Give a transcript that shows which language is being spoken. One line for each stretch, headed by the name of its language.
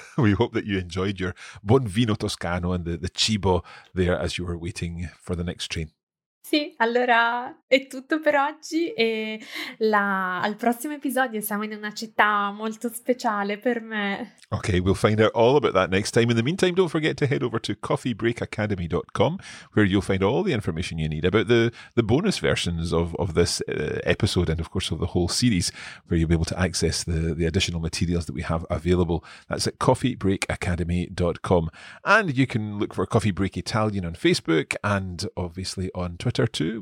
English: We hope that you enjoyed your
Italian: buon vino toscano
English: and the
Italian: cibo
English: there as you were waiting for the next train.
Italian: Sì, allora è tutto per oggi e al prossimo episodio siamo in una città molto speciale per me.
English: Okay, we'll find out all about that next time. In the meantime, don't forget to head over to coffeebreakacademy.com where you'll find all the information you need about the bonus versions of this episode and of course of the whole series where you'll be able to access the additional materials that we have available. That's at coffeebreakacademy.com. And you can look for Coffee Break Italian on Facebook and obviously on Twitter too.